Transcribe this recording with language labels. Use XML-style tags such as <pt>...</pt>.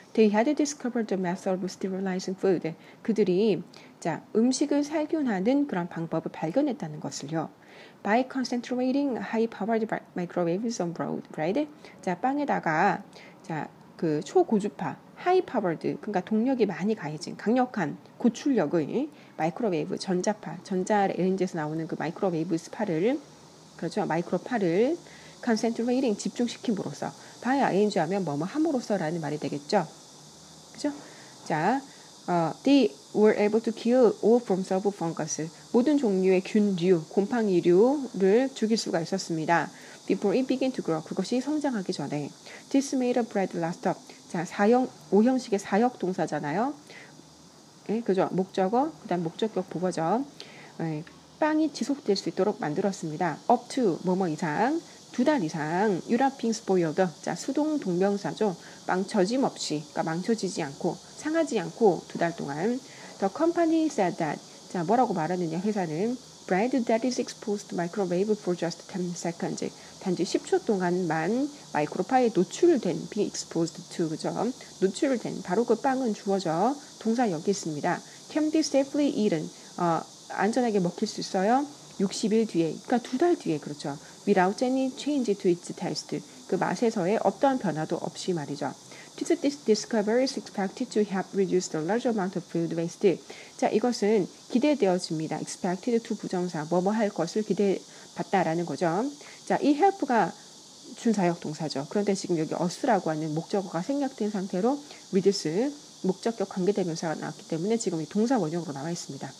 <en>They had discovered the method of sterilizing food.</en> <ko>그들이 자 음식을 살균하는 그런 방법을 발견했다는 것을요.</ko> <en>By concentrating high-powered microwaves on bread,</en> <ko>자 빵에다가 자 그 초고주파 high-powered, 그러니까 동력이 많이 가해진 강력한 고출력의 마이크로웨이브 전자파 전자 레인지에서 나오는 그 마이크로웨이브 스파를 그렇죠 마이크로파를 concentrating 집중시킴으로써 by ing 하면 뭐뭐 함으로써라는 말이 되겠죠. 그죠?</ko> <en>자, they were able to kill all forms of fungus.</en> <ko>모든 종류의 균류, 곰팡이류를 죽일 수가 있었습니다.</ko> <en>Before it began to grow,</en> <ko>그것이 성장하기 전에.</ko> <en>This made a bread last up.</en> <ko>자, 5형식의 사역 동사잖아요. 예, 그죠? 목적어, 그 다음 목적격 보고죠. 예, 빵이 지속될 수 있도록 만들었습니다.</ko> <en>Up to,</en> <ko>뭐뭐 이상. 두 달 이상,</ko> <en>you're not being spoiled.</en> <ko>자, 수동 동명사죠. 망쳐짐 없이, 그러니까 망쳐지지 않고, 상하지 않고, 두 달 동안.</ko> <en>The company said that.</en> <ko>자, 뭐라고 말하느냐, 회사는.</ko> <en>Bread that is exposed to microwave for just 10 seconds.</en> <ko>단지 10초 동안만 마이크로파에 노출된,</ko> <en>being exposed to,</en> <ko>그죠? 노출된, 바로 그 빵은 주어져, 동사 여기 있습니다.</ko> <en>Can be safely eaten.</en> <ko>안전하게 먹힐 수 있어요. 60일 뒤에, 그러니까 두 달 뒤에, 그렇죠.</ko> <en>Without any change to its taste.</en> <ko>그 맛에서의 어떠한 변화도 없이 말이죠.</ko> <en>This discovery is expected to help reduce the large amount of food waste.</en> <ko>자, 이것은 기대되어집니다. Expected to 부정사, 뭐뭐 할 것을 기대받다라는 거죠. 자, 이 help가 준사역 동사죠. 그런데 지금 여기 us라고 하는 목적어가 생략된 상태로 reduce, 목적격 관계대명사가 나왔기 때문에 지금 이 동사 원형으로 나와 있습니다.</ko>